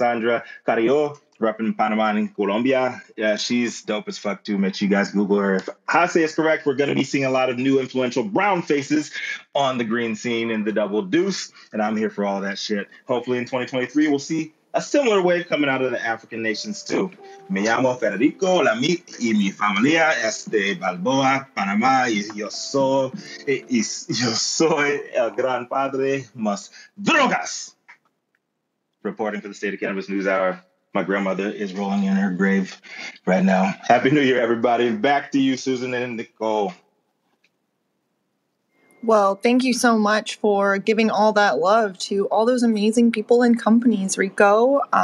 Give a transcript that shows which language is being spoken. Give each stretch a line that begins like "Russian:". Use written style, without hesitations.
English: Sandra Carrillo, repping Panama and Colombia. Yeah, she's dope as fuck, too, Mitch. You guys Google her. If I say it's correct, we're going to be seeing a lot of new influential brown faces on the green scene in the Double Deuce, and I'm here for all that shit. Hopefully in 2023, we'll see a similar wave coming out of the African nations, too.
Spanish: Me llamo Federico Lamit y mi familia es de Balboa, Panamá, y yo soy el gran padre más drogas.
English: Reporting for the State of Cannabis News Hour. My grandmother is rolling in her grave right now. Happy New Year, everybody. Back to you, Susan and Nicole. Well, thank you so much for giving all that love to all those amazing people and companies, Rico.